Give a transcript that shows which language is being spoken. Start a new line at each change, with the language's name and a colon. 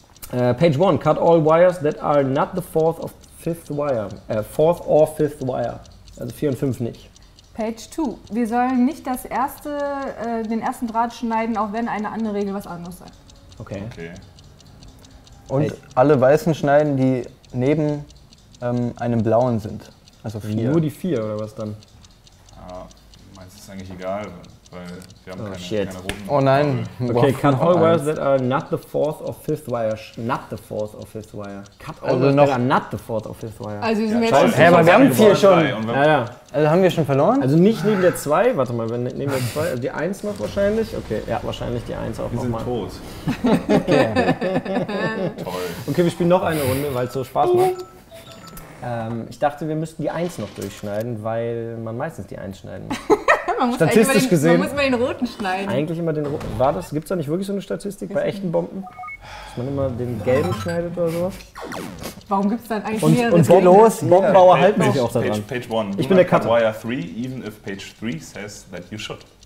English: Page 1, cut all wires that are not the fourth or fifth wire.
German: Also 4 und 5 nicht.
English: Page 2,
German: wir sollen nicht das erste, den ersten Draht schneiden, auch wenn eine andere Regel was anderes sagt. Okay. Und hey. Alle weißen schneiden, die neben einem blauen sind. Also 4. Nur die 4 oder was dann? Ja, meins ist eigentlich egal. Weil wir haben oh, keine roten. Oh nein. Okay, wow.
English: Cut all wires that are not the fourth or fifth wire. Not the fourth or fifth wire. Cut all wires that are not the fourth or fifth wire.
German: Also sind ja, wir jetzt schon. Hä, aber wir haben vier schon. Ja, ja. Also haben wir schon verloren? Also nicht neben der 2. Warte mal, wenn neben der 2. Also die 1 noch wahrscheinlich. Okay, ja, wahrscheinlich die 1 auch nochmal. Wir sind tot. Okay. Toll. Okay, wir spielen noch eine Runde, weil es so Spaß macht. Ich dachte, wir müssten die 1 noch durchschneiden, weil man meistens die 1 schneiden muss. Statistisch den, gesehen. Man muss immer den roten schneiden. Eigentlich immer den roten. War das? Gibt es da nicht wirklich so eine Statistik bei echten Bomben? Dass man immer den gelben schneidet oder sowas? Warum gibt es dann eigentlich und, mehrere? Und Bomben los? Bombenbauer ja. halten sich auch daran.
English: Page 1.
German: Ich bin der Cutter.
English: Wire 3, even if page 3 says that you should.